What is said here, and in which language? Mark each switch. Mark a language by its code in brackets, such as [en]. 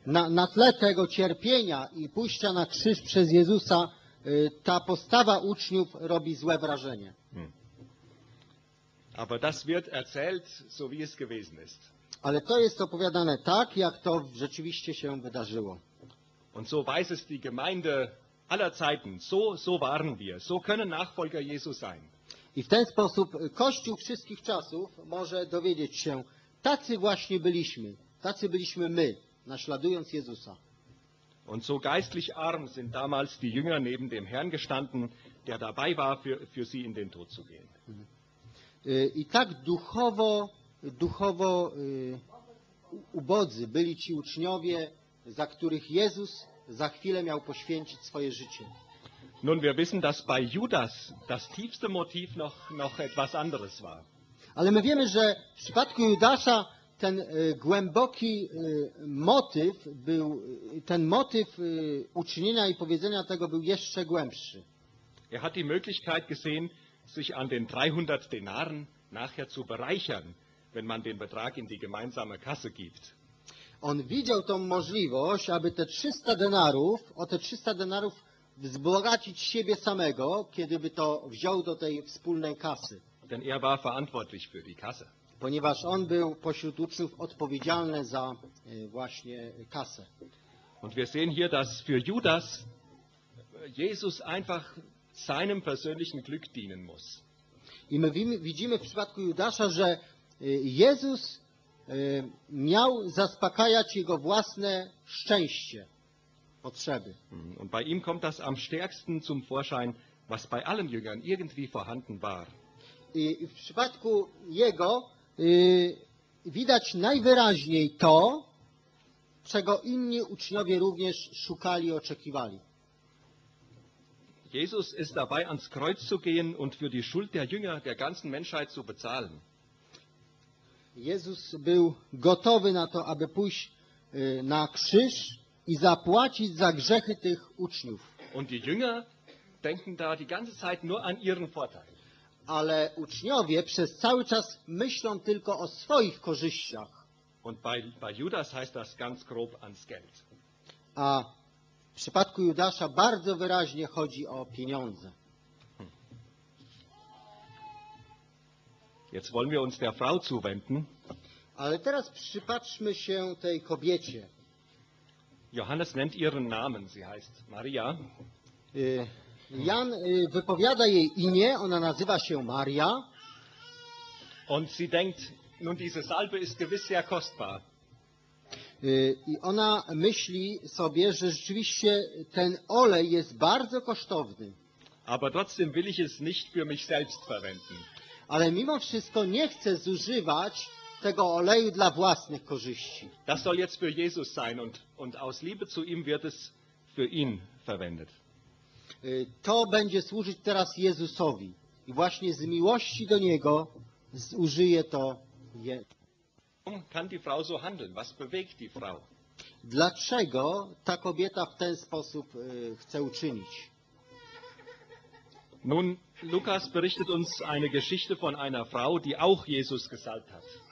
[pl] Na tle tego cierpienia i pójścia na krzyż przez Jezusa, ta postawa uczniów robi złe wrażenie. [de] Aber das wird erzählt, so wie es gewesen ist. [pl] Ale to jest opowiadane tak, jak to rzeczywiście się wydarzyło. [de] Und so weiß es die Gemeinde aller Zeiten. So waren wir. So können Nachfolger Jesu sein. [pl] I w ten sposób Kościół wszystkich czasów może dowiedzieć się, tacy właśnie byliśmy. Tacy byliśmy my, naśladując Jezusa. [de] Und so geistlich arm sind damals die Jünger neben dem Herrn gestanden, der dabei war, für sie in den Tod zu gehen. [pl] I tak duchowo ubodzy byli ci uczniowie, za których Jezus za chwilę miał poświęcić swoje życie. [de] Nun, wir wissen, dass bei Judas das tiefste Motiv noch etwas anderes war. [pl] Ale my wiemy, że w przypadku Judasza ten głęboki motyw był, ten motyw uczynienia i powiedzenia tego był jeszcze głębszy. [de] Er hat die Möglichkeit gesehen, sich an den 300 Denaren nachher zu bereichern, wenn man den Betrag in die gemeinsame Kasse gibt. [pl] On widział tą możliwość, aby te 300 denarów, o te 300 denarów wzbogacić siebie samego, kiedy by to wziął do tej wspólnej kasy. [de] Denn er war verantwortlich für die Kasse. [pl] Ponieważ on był pośród uczniów odpowiedzialny za właśnie kasę. [de] Und wir sehen hier, dass für Judas Jesus einfach seinem persönlichen Glück dienen muss. [pl] I my widzimy w przypadku Judasza, że Jezus miał zaspokajać jego własne szczęście, potrzeby. [de] Und bei ihm kommt das am stärksten zum Vorschein, was bei allen Jüngern irgendwie vorhanden war. [pl] I w przypadku jego widać najwyraźniej to, czego inni uczniowie również szukali i oczekiwali. [de] Jesus ist dabei ans Kreuz zu gehen und für die Schuld der Jünger der ganzen Menschheit zu bezahlen. [pl] Jezus był gotowy na to, aby pójść na krzyż i zapłacić za grzechy tych uczniów. [de] Und die Jünger denken da die ganze Zeit nur an ihren Vorteil. [pl] Ale uczniowie przez cały czas myślą tylko o swoich korzyściach. [de] Und bei Judas heißt das ganz grob ans Geld. [pl] A w przypadku Judasza bardzo wyraźnie chodzi o pieniądze. [de] Jetzt wollen wir uns der Frau zuwenden. [pl] Ale teraz przypatrzmy się tej kobiecie. [de] Johannes nennt ihren Namen, sie heißt Maria. [pl] Jan wypowiada jej imię, ona nazywa się Maria. [de] Und sie denkt, nun diese Salbe ist gewiss sehr kostbar. [pl] I ona myśli sobie, że rzeczywiście ten olej jest bardzo kosztowny. [de] Aber trotzdem will ich es nicht für mich selbst verwenden. [pl] Ale mimo wszystko nie chce zużywać tego oleju dla własnych korzyści. [de] Das soll jetzt für Jesus sein und aus Liebe zu ihm wird es für ihn verwendet. [pl] To będzie służyć teraz Jezusowi. I właśnie z miłości do Niego zużyje to [de] Warum kann die Frau so handeln? Was bewegt die Frau? [pl] Dlaczego ta kobieta w ten sposób chce uczynić? [de] Nun, Lukas berichtet uns eine Geschichte von einer Frau, die auch Jesus gesalbt hat.